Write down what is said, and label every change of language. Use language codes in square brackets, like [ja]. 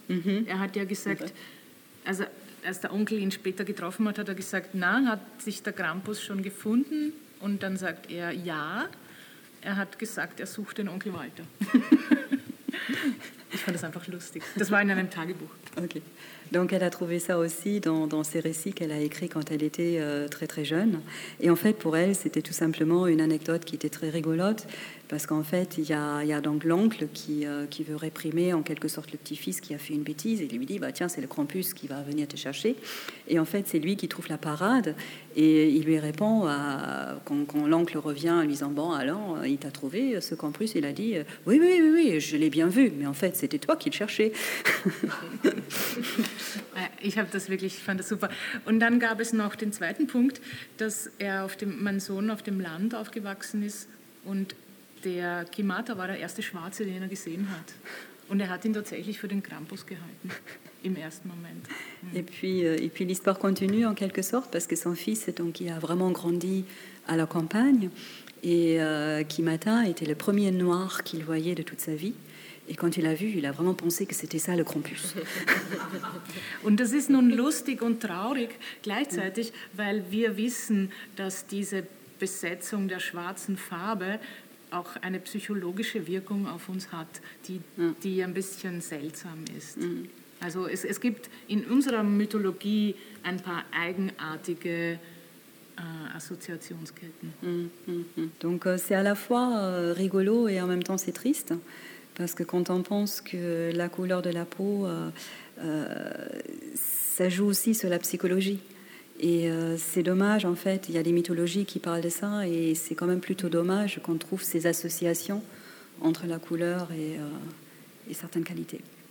[de] Mhm. Er hat ja gesagt, also als der Onkel ihn später getroffen hat, hat er gesagt, na, hat sich der Krampus schon gefunden? Und dann sagt er, ja. Er hat gesagt, er sucht den Onkel Walter. Ich fand das einfach lustig. Das war in einem Tagebuch. Okay. [fr] Donc elle a trouvé ça aussi dans ses récits qu'elle a écrits quand elle était très très jeune. Et en fait, pour elle, c'était tout simplement une anecdote qui était très rigolote, parce qu'en fait, il y a donc l'oncle qui veut réprimer en quelque sorte le petit-fils qui a fait une bêtise, et lui dit, bah, tiens, c'est le Krampus qui va venir te chercher. Et en fait, c'est lui qui trouve la parade, et il lui répond, quand l'oncle revient en lui disant, bon, alors, il t'a trouvé ce Krampus, il a dit, oui, je l'ai bien vu, mais en fait, c'était toi qui le cherchais. [de] Ich fand das super. Und dann gab es noch den zweiten Punkt, dass mein Sohn auf dem Land aufgewachsen ist und der Kimata war der erste Schwarze, den er gesehen hat. Und hat ihn tatsächlich für den Krampus gehalten. Im ersten Moment. [fr] Et puis l'histoire continue en quelque sorte parce que son fils donc il a vraiment grandi à la campagne et Kimata était le premier noir qu'il voyait de toute sa vie. Et quand il a vu, il a vraiment pensé que c'était ça le Krampus. [de] Und das ist nun lustig und traurig gleichzeitig, weil wir wissen, dass diese Besetzung der schwarzen Farbe auch eine psychologische Wirkung auf uns hat, die ein bisschen seltsam ist. Also es gibt in unserer Mythologie ein paar eigenartige Assoziationsketten. [fr] Donc c'est à la fois rigolo et en même temps c'est triste. Parce que quand on pense que la couleur de la peau, ça joue aussi sur la psychologie. Et c'est dommage, en fait, il y a des mythologies qui parlent de ça, et c'est quand même plutôt dommage qu'on trouve ces associations entre la couleur et certaines qualités.